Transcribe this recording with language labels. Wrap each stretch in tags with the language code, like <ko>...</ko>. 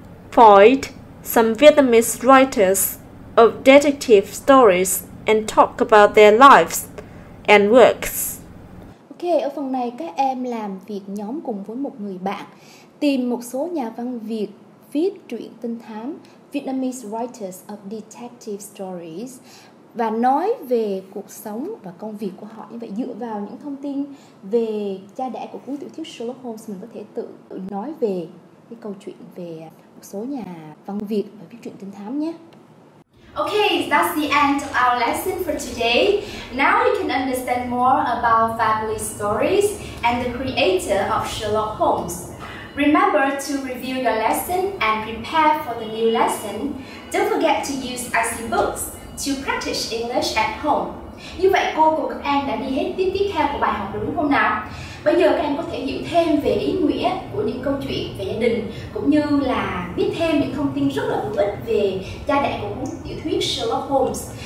<en>Find some Vietnamese writers of detective stories and talk about their lives and works.</en> <vi>Ok, ở phần này các em làm việc nhóm cùng với một người bạn. Tìm một số nhà văn Việt viết truyện trinh thám,</vi> <en>Vietnamese writers of detective stories,</en> <vi>và nói về cuộc sống và công việc của họ. Như vậy dựa vào những thông tin về cha đẻ của cuốn tiểu thuyết Sherlock Holmes, mình có thể tự nói về cái câu chuyện về một số nhà văn Việt và viết truyện trinh thám nhé.</vi> <en>Okay, that's the end of our lesson for today. Now you can understand more about family stories and the creator of Sherlock Holmes. Remember to review your lesson and prepare for the new lesson. Don't forget to use IC books to practice English at home.</en> <vi>Như vậy cô cùng các em đã đi hết tiết tiếp theo của bài học đúng không nào? Bây giờ các em có thể hiểu thêm về ý nghĩa của những câu chuyện về gia đình, cũng như là biết thêm những thông tin rất là hữu ích về cha đẻ của cuốn tiểu thuyết Sherlock Holmes.</vi>